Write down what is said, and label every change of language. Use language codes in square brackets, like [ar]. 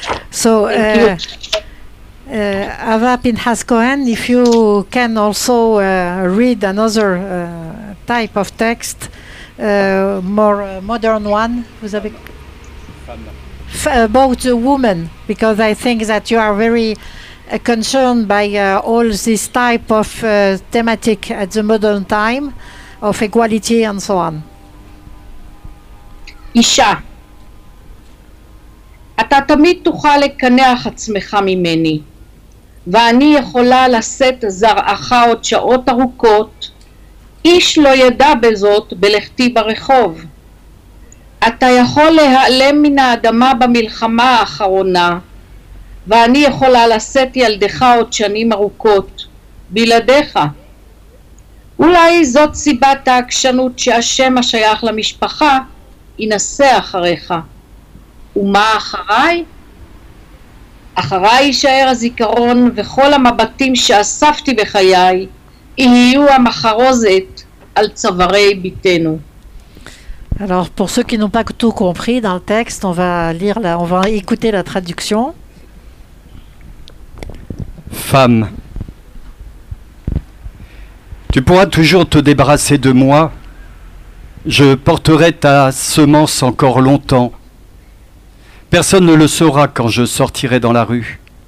[en] So, Ava Pinchas Cohen, if you can also read another type of text, more modern one, [fr] vous avez [en] about a woman, because I think that you are very concerned by all this type of thematic at the modern time of equality and so on. [he] Isha, אתה תמיד תוכל לקנח עצמך ממני. ואני יכולה לשאת זרעך עוד שעות ארוכות, איש לא ידע בזאת בלכתי ברחוב. אתה יכול להיעלם מן האדמה במלחמה האחרונה, ואני יכולה לשאת ילדך עוד שנים ארוכות, בלעדיך. אולי זאת סיבת העקשנות שהשם השייך למשפחה ינסה אחריך. ומה אחריי? אחריי יישאר הזיכרון וכל המבטים שאספתי בחיי יהיו המחרוזת על צווארי ביתנו. [fr] Alors pour ceux qui n'ont pas tout compris dans le texte, on va lire la, on va écouter la traduction. Femme, tu pourras toujours te débarrasser de moi. Je porterai ta semence encore longtemps. Personne ne le saura quand je sortirai dans la rue.